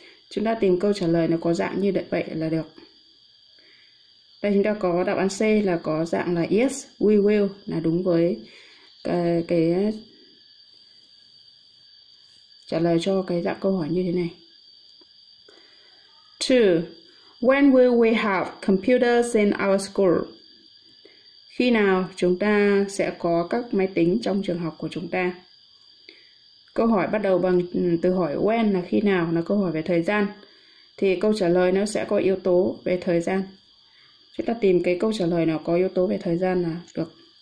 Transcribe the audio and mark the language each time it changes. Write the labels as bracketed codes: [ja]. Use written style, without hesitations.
[vi] Chúng ta tìm câu trả lời nó có dạng như vậy là được. Đây chúng ta có đáp án C là có dạng là [en] yes, we will [vi] là đúng với cái trả lời cho cái dạng câu hỏi như thế này. [en] Two, when will we have computers in our school? [vi] Khi nào chúng ta sẽ có các máy tính trong trường học của chúng ta? Câu hỏi bắt đầu bằng từ hỏi when là khi nào, là câu hỏi về thời gian. Thì câu trả lời nó sẽ có yếu tố về thời gian. Chúng ta tìm cái câu trả lời nào có yếu tố về thời gian là được.